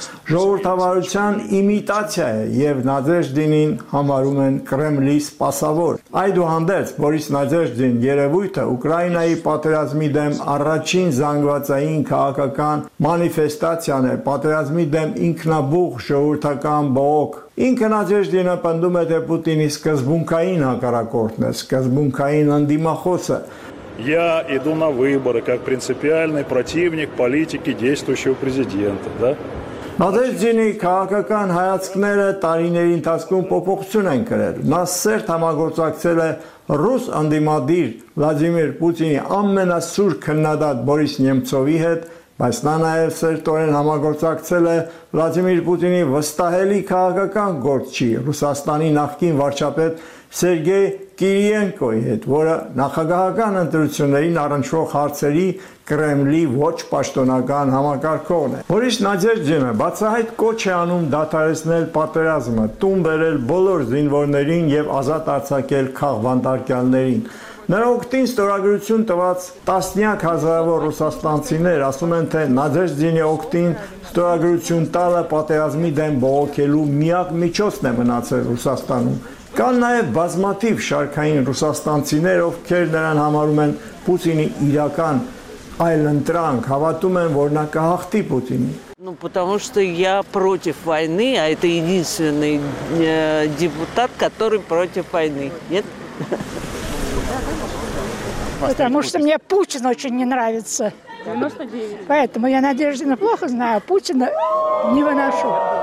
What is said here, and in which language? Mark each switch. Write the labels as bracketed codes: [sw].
[hy] ժողովրդավարության իմիտացիա է և Նադեժդինին համարում են Կրեմլի սպասավոր։ Այդուհանդերձ Բորիս Նադեժդին երևույթը Ուկրաինայի պատերազմի դեմ առաջին զանգվածային քաղաքական մանիֆեստացիան է, պատերազմի դեմ ինքնաբուխ ժողովրդական բողոք։ Ինքը Նադեժդինը պնդում է, թե Պուտինի սկզբունքային հակառակորդն է, սկզբունքային անդիմախոսը։ [ru] Я иду на выборы как принципиальный противник политики действующего президента, да? [hy] Նադեժդինի քաղաքական հայացքները տարիների ընթացքում փոփոխություն են կրել։ Նա սերտ համագործակցել է ռուս անդիմադիր Վլադիմիր Պուտինի ամենասուր քննադատ Բորիս Նեմցովի հետ, բայց նա նաև սերտորեն համագործակցել է Վլադիմիր Պուտինի վստահելի քաղաքական գործչի Ռուսաստանի նախկին վարչապետ Սերգեյ Կիրիենկոյի հետ, որը նախագահական ընտրություններին առնչվող հարցերի Կրեմլի ոչ պաշտոնական համակարգողն է։ Բորիս Նադեժդինը բացահայտ կոչ է անում դադարեցնել պատերազմը, տուն բերել բոլոր զինվորներին և ազատ արձակել քաղ վանդարկյալներին։ Նրա օգտին ստորագրություն տված տասնյակ հազարավոր ռուսաստանցիներ ասում են, թե Նադեժդինի օգտին ստորագրություն տալը պատերազմի դեմ բողոքելու միակ միջոցն է մնացել Ռուսաստանում։ Կան նաև բազմաթիվ շարքային ռուսաստանցիներ, ովքեր նրան համարում են Պուտինի իրական այլընտրանք, հավատում են, որ նա կհաղթի Պուտինին։ [ru] Ну, потому что я против войны, а это единственный депутат, который против войны. Нет? Потому что мне Путин очень не нравится. Поэтому я Надеждина плохо знаю, Путина не выношу.